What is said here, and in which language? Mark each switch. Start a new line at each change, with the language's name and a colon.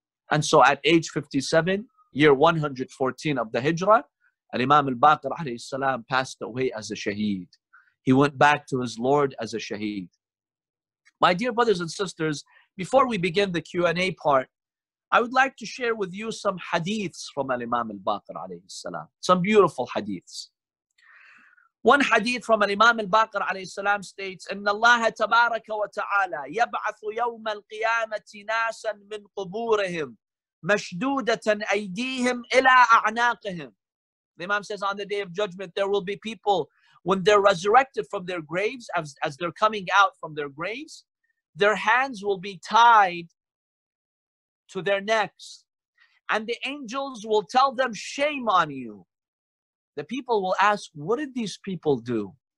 English: And so at age 57, year 114 of the Hijrah, al-Imam al-Baqir alayhi salam passed away as a shaheed. He went back to his Lord as a shaheed. My dear brothers and sisters, before we begin the Q&A part, I would like to share with you some hadiths from al-Imam al-Baqir alayhi salam. Some beautiful hadiths.
Arabic: One hadith from al-Imam al-Baqir alayhi salam states, إِنَّ اللَّهَ تَبَارَكَ وَتَعَالَى يَبْعَثُ يَوْمَ الْقِيَامَةِ نَاسًا مِنْ قُبُورِهِمْ مَشْدُودَةً أَيْدِيهِمْ إِلَىٰ أَعْنَاقِهِمْ.
English: The Imam says, on the day of judgment, there will be people, when they're resurrected from their graves, as they're coming out from their graves, their hands will be tied to their necks. And the angels will tell them, shame on you. The people will ask, what did these people do?